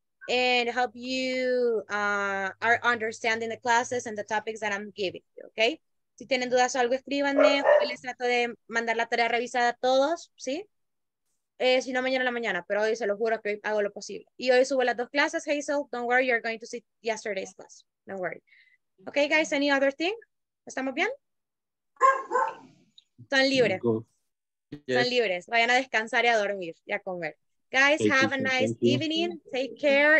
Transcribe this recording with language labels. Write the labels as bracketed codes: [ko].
[en] and help you are understanding the classes and the topics that I'm giving you, okay? [es] Si tienen dudas o algo, escríbanme. Hoy les trato de mandar la tarea revisada a todos, ¿sí? Si no, mañana en la mañana, pero hoy se lo juro que hago lo posible. Y hoy subo las dos clases, Hazel. [en] Don't worry, you're going to see yesterday's class. Don't worry. Okay, guys, any other thing? [es] ¿Estamos bien? Son libres. Yes. Son libres. Vayan a descansar y a dormir y a comer. [en] Guys, have a nice evening. Take care.